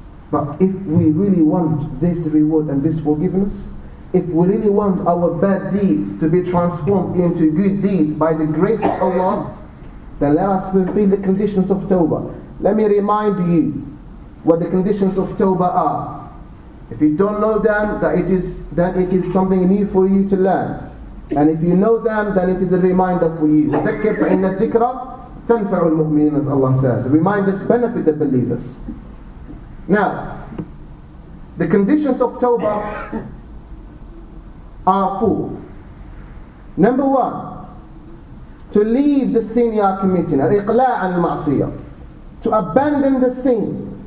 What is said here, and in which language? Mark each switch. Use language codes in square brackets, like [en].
[en] But if we really want this reward and this forgiveness, if we really want our bad deeds to be transformed into good deeds by the grace of Allah, then let us fulfill the conditions of Tawbah. Let me remind you what the conditions of Tawbah are. If you don't know them, then it is something new for you to learn. And if you know them, then it is a reminder for you. [ar] وَذَكِّرْ فَإِنَّ الذِّكْرَ تَنْفَعُ الْمُؤْمِنِينَ, [en] as Allah says. Reminders benefit the believers. Now, the conditions of Tawbah are four. Number one, to leave the sin you are committing. Al-iqla' al-ma'siyah. To abandon the sin.